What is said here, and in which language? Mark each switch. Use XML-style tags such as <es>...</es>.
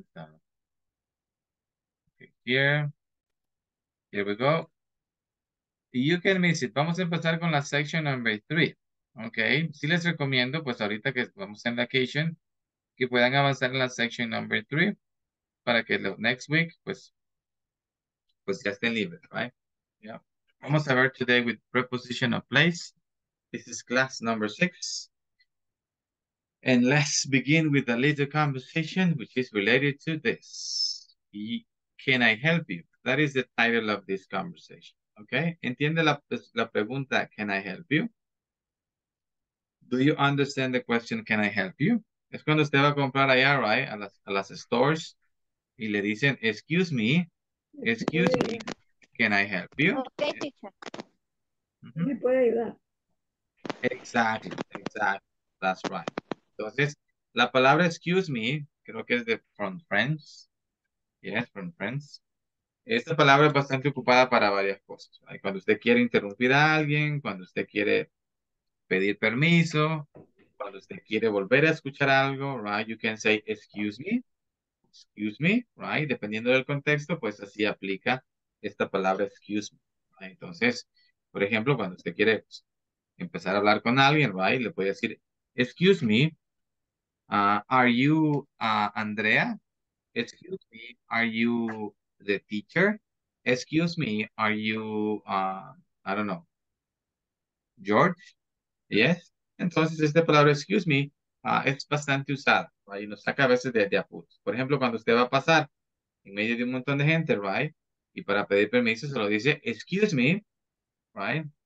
<en>Okay, here we go. You can miss it.</en> <es>Vamos a empezar con la</es> <en>section number 3.</en> <es>Okay, si les recomiendo, pues ahorita que vamos en vacation, que puedan avanzar en la section number 3 para que lo,</es> <en>next week,</en> <es>pues ya estén libres, right?</es> <en>Yeah.</en> <es>Vamos a ver</es> <en>today with preposition of place. This is class number 6. And let's begin with a little conversation which is related to this. Can I help you? That is the title of this conversation. Okay?</en> <es>¿Entiende la pregunta,</es> <en>can I help you? Do you understand the question, can I help you?</en> <es>Es cuando usted va a comprar allá, right? A las stores. Y le dicen,</es> <en>excuse me. Can I help you? Okay, teacher.</en> <es>Mm-hmm. ¿Me puede ayudar?</es> <en>Exactly. That's right.</en> <es>Entonces, la palabra excuse me, creo que es de</es> <en>from friends. Yes, from friends.</en> <es>Esta palabra es bastante ocupada para varias cosas. Right? Cuando usted quiere interrumpir a alguien, cuando usted quiere pedir permiso, cuando usted quiere volver a escuchar algo, right?</es> <en>You can say excuse me, right?</en> <es>Dependiendo del contexto, pues así aplica esta palabra, excuse me. Entonces, por ejemplo, cuando usted quiere empezar a hablar con alguien, right, le puede decir,</es> <en>excuse me, are you Andrea? Excuse me, are you the teacher? Excuse me, are you, I don't know, George? Yes.</en> <es>Entonces, esta palabra, excuse me, es bastante usada, right, y nos saca a veces de apuros. Por ejemplo, cuando usted va a pasar en medio de un montón de gente, right, y para pedir permiso se lo dice,</es> <en>excuse me,</en> <es>right?</es>